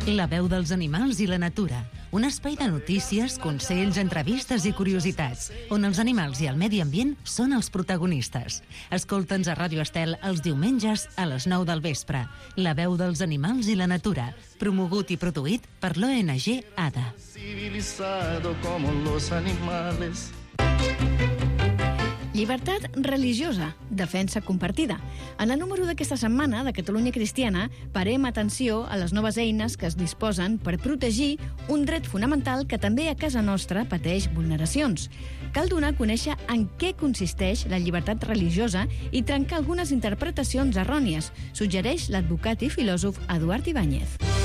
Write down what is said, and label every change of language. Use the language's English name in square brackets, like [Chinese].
[Catalan] La veu dels animals i la natura. Un espai de notícies, consells, entrevistes i curiositats, on els animals i el medi ambient són els protagonistes. Escolta'ns a Ràdio Estel els diumenges a les 9 del vespre. La veu dels animals i la natura. Promogut i produït per l'ONG ADA. [Spanish] Civilizado como los animales. [Catalan] Llibertat religiosa, defensa compartida. En el número d'aquesta setmana de Catalunya Cristiana parem atenció a les noves eines que es disposen per protegir un dret fonamental que també a casa nostra pateix vulneracions. Cal donar a conèixer en què consisteix la llibertat religiosa i trencar algunes interpretacions errònies, suggereix l'advocat i filòsof Eduard Ibáñez.